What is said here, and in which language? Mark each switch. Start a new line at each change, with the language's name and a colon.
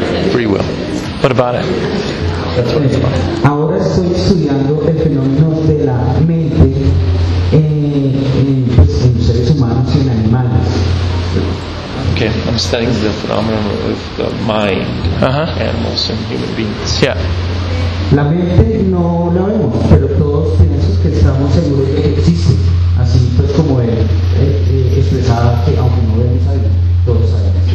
English: Free will. What about it?
Spanish: Ahora estoy estudiando el fenómeno de la mente en seres humanos y en animales.
English: Okay, I'm studying the phenomenon of the mind, animals and human beings. Yeah.
Spanish: La mente no la vemos, pero todos pensamos que estamos seguros de que existe. Así pues como él expresaba que aunque no vemos algo, todos sabemos.